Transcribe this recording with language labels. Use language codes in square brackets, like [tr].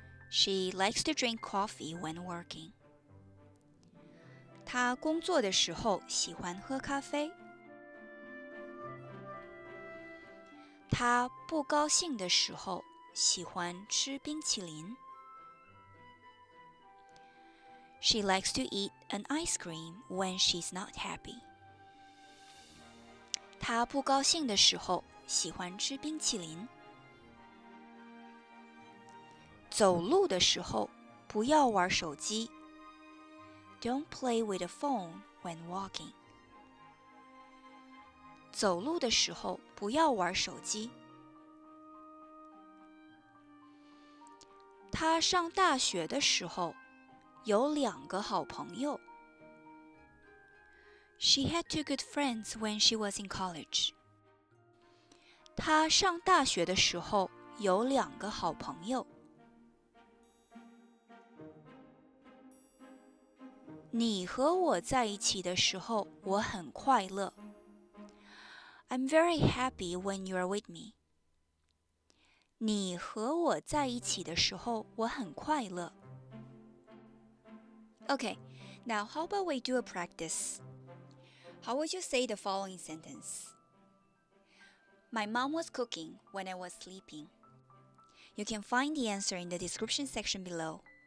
[en] She likes to drink coffee when working. [zh] 他工作的时候喜欢喝咖啡。他不高兴的时候喜欢吃冰淇淋。 [en] She likes to eat an ice cream when she's not happy. [zh] 他不高兴的时候喜欢吃冰淇淋。走路的时候不要玩手机。 [en] Don't play with a phone when walking. [zh] 走路的时候不要玩手机。他上大学的时候有两个好朋友。 [en] She had two good friends when she was in college. [zh] 他上大学的时候有两个好朋友。你和我在一起的时候我很快乐。 [en] I'm very happy when you're with me. [zh] 你和我在一起的时候我很快乐。 [en] Okay, now how about we do a practice? How would you say the following sentence? My mom was cooking when I was sleeping. You can find the answer in the description section below.